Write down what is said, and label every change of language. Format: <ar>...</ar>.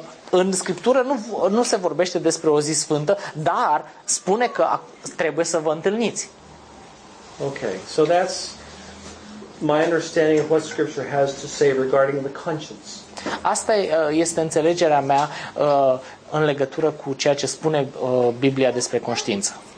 <ro>În Scriptură nu se vorbește despre o zi sfântă, dar spune că trebuie să vă întâlniți.</ro> <en>Okay, so that's my understanding of what Scripture has to say regarding the conscience.</en> <ro>Asta este înțelegerea mea în legătură cu ceea ce spune Biblia despre conștiință.</ro>